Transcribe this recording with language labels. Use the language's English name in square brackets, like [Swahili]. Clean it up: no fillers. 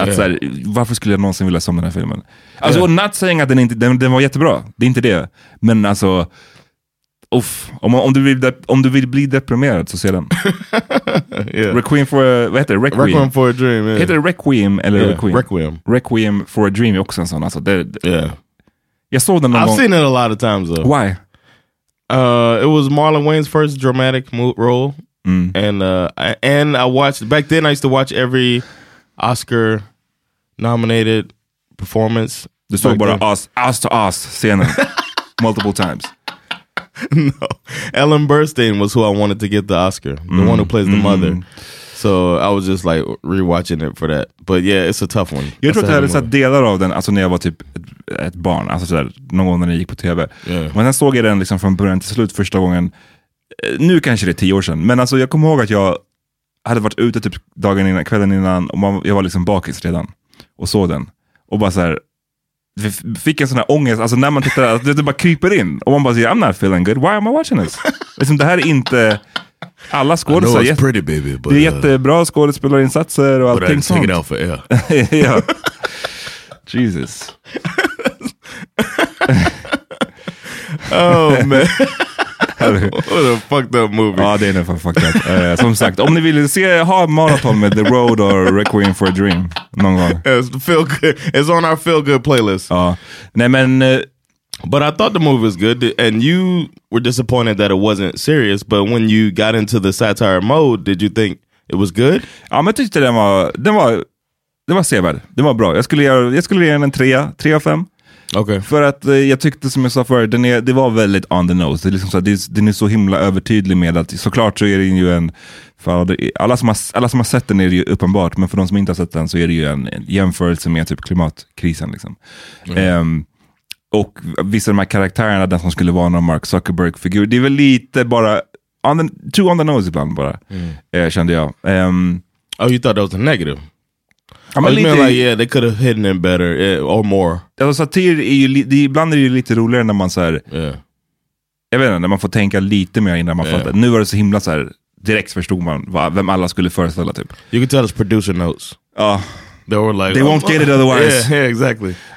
[Swedish] Att yeah. så här, varför skulle jag någonsin vilja se om den här filmen? Alltså, yeah. [English] not saying [Swedish] att den var jättebra. Det är inte det. Men alltså, uff. Om du vill bli deprimerad så ser den. yeah. Requiem for a, vad heter det? Requiem. [English] Requiem for a Dream. Yeah. [Swedish] Heter det Requiem eller yeah. Requiem? [English] Requiem. [Swedish] Requiem for a Dream är också en sån. Alltså, [English] yeah. [Swedish] Jag såg den någon [English] I've seen it a lot of times though. Why? It was Marlon Wayans' first dramatic role, and I watched back then. I used to watch every Oscar nominated performance. The talk about ass to ass scene multiple times. No, Ellen Burstyn was who I wanted to get the Oscar, the one who plays the mother. So I was just like rewatching it for that. But yeah, it's a tough one. [Swedish] Jag tror att jag hade sett delar av den, alltså när jag var typ ett barn, alltså sådär, någon gång när jag gick på TV. [English] Yeah. [Swedish] Men sen såg jag den liksom från början till slut första gången. Nu kanske det är 10 år sedan. Men alltså jag kommer ihåg att jag hade varit ute typ dagen innan, kvällen innan, och jag var liksom bakis redan. Och såg den. Och bara så här. Fick en sån här ångest, alltså när man tittar, att det bara kryper in. Och man bara säger, [English] I'm not feeling good, why am I watching this? [Swedish] Liksom det här är inte... Alla skådespelare. [English] Pretty baby, but, [Swedish] det är jättebra skådespelarinsatser och allting sånt. [English] But I didn't take it out for air. Yeah. Jesus. Oh man. What a fucked up movie. [Swedish] Ja, det är nästan fucked up. Som sagt, om ni vill se ha maraton med The Road or Requiem for a Dream någon gång. [English] It's on our feel good playlist. [Swedish] Ja. Nej men [English] But I thought the movie was good, and you were disappointed that it wasn't serious, but when you got into the satire mode, did you think it was good? [Swedish] Ja, men jag tyckte den var sevärd. Den var bra. Jag skulle ge den en 3 av 5. [English] Okay. [Swedish] För att jag tyckte, som jag sa förr, det var väldigt [English] on the nose. [Swedish] Det är liksom så att den är så himla övertydlig med att, såklart så är det ju en, för alla som har sett den är det ju uppenbart, men för de som inte har sett den så är det ju en jämförelse med typ klimatkrisen liksom. Mm. Och vissa av de här karaktärerna, den som skulle vara någon Mark Zuckerberg-figur, det är väl lite bara [English] too on the nose [Swedish] ibland bara, kände jag. [English] Oh, you thought that was a negative? I mean, lite, like, yeah, they could have hidden it better, or more. [Swedish] Alltså, satir är ju, ibland är det ju lite roligare när man så här, [English] yeah. [Swedish] jag vet inte, när man får tänka lite mer innan man fattar. Nu var det så himla så här, direkt förstod man vem alla skulle föreställa typ. [English] You could tell it's producer notes. [Swedish] Ja. [English] They were like, they won't get it otherwise. Yeah, yeah, exactly.